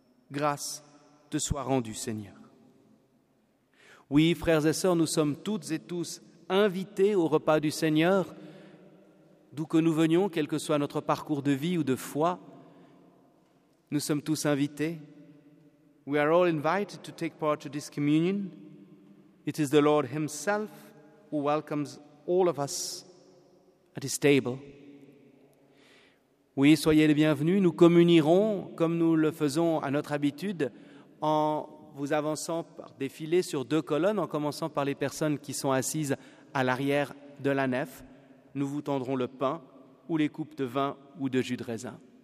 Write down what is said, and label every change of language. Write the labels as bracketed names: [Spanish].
[French] Grâce te soit rendue, Seigneur. Oui, frères et sœurs, nous sommes toutes et tous invités au repas du Seigneur, d'où que nous venions, quel que soit notre parcours de vie ou de foi, nous sommes tous invités. [English] We are all invited to take part to this communion. It is the Lord himself who welcomes all of us at his table. [French] Oui, soyez les bienvenus. Nous communierons, comme nous le faisons à notre habitude, en vous avançant par des filets sur deux colonnes, en commençant par les personnes qui sont assises à l'arrière de la nef. Nous vous tendrons le pain ou les coupes de vin ou de jus de raisin.